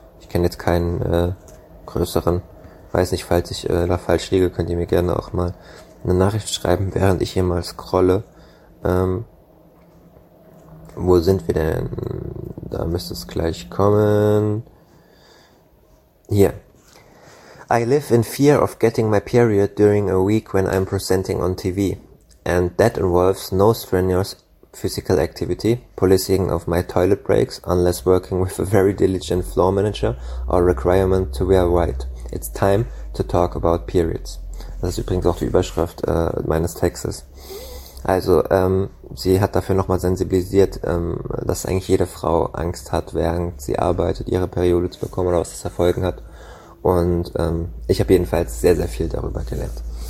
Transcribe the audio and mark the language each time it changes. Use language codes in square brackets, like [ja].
[de] Ich kenne jetzt keinen größeren. Weiß nicht, falls ich da falsch liege, könnt ihr mir gerne auch mal eine Nachricht schreiben, während ich hier mal scrolle. Wo sind wir denn? Da müsste es gleich kommen. Hier. [en] I live in fear of getting my period during a week when I'm presenting on TV. And that involves no strenuous physical activity, policing of my toilet breaks, unless working with a very diligent floor manager or requirement to wear white. It's time to talk about periods. [de] Das ist übrigens auch die Überschrift meines Textes. Also, sie hat dafür nochmal sensibilisiert, dass eigentlich jede Frau Angst hat, während sie arbeitet, ihre Periode zu bekommen oder was das Folgen hat. Und ich habe jedenfalls sehr, sehr viel darüber gelernt.